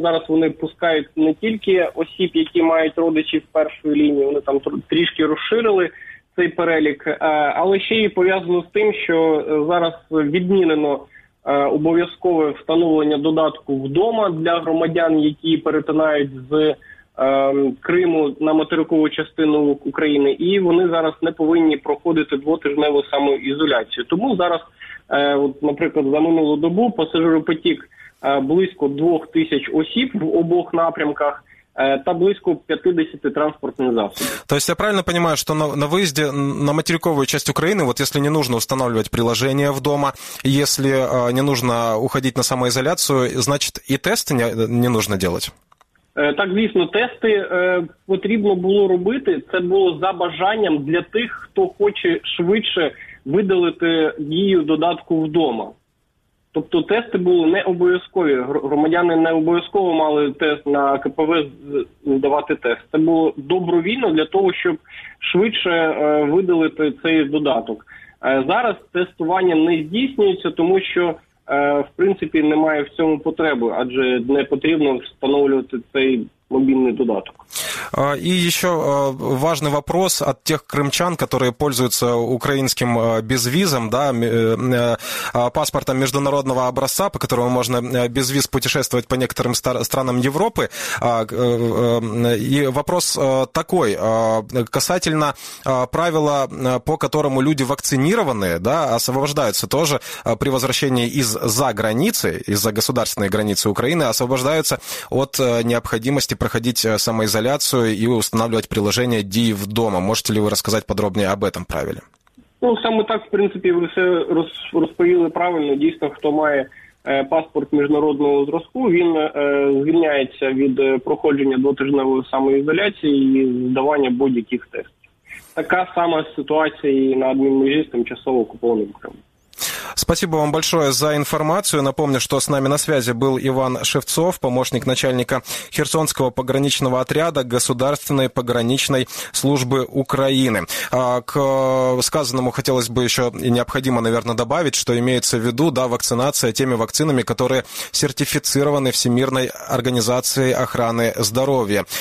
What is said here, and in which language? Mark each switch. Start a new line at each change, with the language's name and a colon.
Ukrainian: Зараз вони пускають не тільки осіб, які мають родичів першої лінії, вони там трішки розширили цей перелік, але ще й пов'язано з тим, що зараз відмінено обов'язкове встановлення додатку вдома для громадян, які перетинають з Криму на материкову частину України, і вони зараз не повинні проходити двотижневу самоізоляцію. Тому зараз, от, наприклад, за минулу добу пасажиропотік близько 2000 осіб в обох напрямках та близько 50 транспортних засобів.
Russian: То есть я правильно понимаю, что на выезде на материковую часть Украины, вот если не нужно устанавливать приложение в дома, если не нужно уходить на самоизоляцию, значит и тести не нужно делать?
Ukrainian: Так, звісно, тести потрібно було робити. Це було за бажанням для тих, хто хоче швидше видалити дію додатку вдома. Тобто тести були не обов'язкові. Громадяни не обов'язково мали тест на КПВ здавати тест. Це було добровільно для того, щоб швидше видалити цей додаток. Зараз тестування не здійснюється, тому що, в принципі, немає в цьому потреби, адже не потрібно встановлювати цей мобільний додаток.
Russian: И еще важный вопрос от тех крымчан, которые пользуются украинским безвизом, да, паспортом международного образца, по которому можно без виз путешествовать по некоторым странам Европы. И вопрос такой, касательно правила, по которому люди вакцинированные, да, освобождаются тоже при возвращении из-за границы, из-за государственной границы Украины, освобождаются от необходимости проходить самоизоляцию и устанавливать приложение «Дії вдома». Можете ли вы рассказать подробнее об этом правиле?
Ukrainian: Ну, саме так, в принципі, ви все розповіли правильно. Дійсно, хто має паспорт міжнародного зразку, він звільняється від проходження двотижневої самоізоляції і здавання будь-яких тестів. Така сама ситуація і на адмінмежі з тимчасово окупованим Кримом.
Russian: Спасибо вам большое за информацию. Напомню, что с нами на связи был Иван Шевцов, помощник начальника Херсонского пограничного отряда Государственной пограничной службы Украины. К сказанному хотелось бы еще и необходимо, наверное, добавить, что имеется в виду, да, вакцинация теми вакцинами, которые сертифицированы Всемирной организацией охраны здоровья.